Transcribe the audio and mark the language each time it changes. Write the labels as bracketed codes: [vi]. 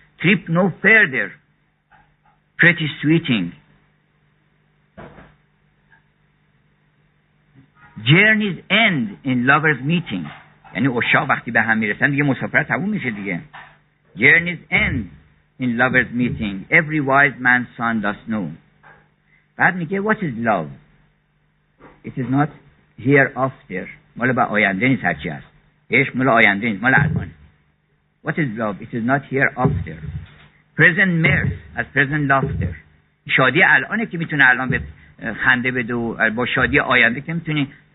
[en] trip no further pretty sweeting journey's end in lovers meeting، [fa] یعنی عشاق وقتی به هم میرسن دیگه مسافرت تموم میشه دیگه. [en] journey's end in lovers meeting every wise man's son does know. [fa] بعد میگه [en] what is love it is not hereafter، [fa] مال با آینده نیست، هرچی هست عشق مال آینده نیست، مال الان. [en] What is love? It is not hereafter. Present mirth as present laughter. [fa] شادی الانه که میتونه الان به خنده بده و با شادی آینده که میتونی.